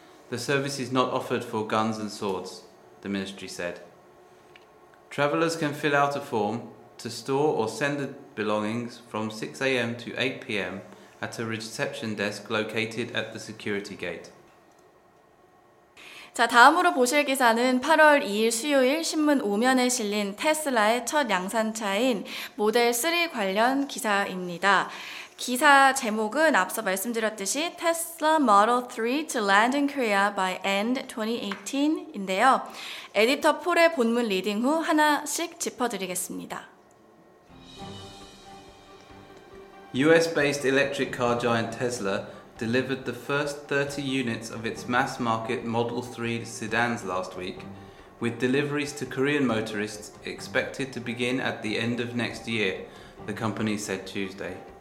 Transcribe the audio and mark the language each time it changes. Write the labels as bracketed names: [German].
[English] The service is not offered for guns and swords, the ministry said. Travelers can fill out a form to store or send the belongings from 6 a.m. to 8 p.m. at a reception desk located at the security gate. [Korean] 자, 다음으로 보실 기사는 8월 2일 수요일 신문 5면에 실린 테슬라의 첫 양산차인 모델3 관련 기사입니다. 기사 제목은 앞서 말씀드렸듯이 [English] Tesla Model 3 to land in Korea by end 2018 [Korean] 인데요. 에디터 폴의 본문 리딩 후 하나씩 짚어드리겠습니다. [English] US-based electric car giant Tesla delivered the first 30 units of its mass-market Model 3 sedans last week, with deliveries to Korean motorists expected to begin at the end of next year, the company said Tuesday.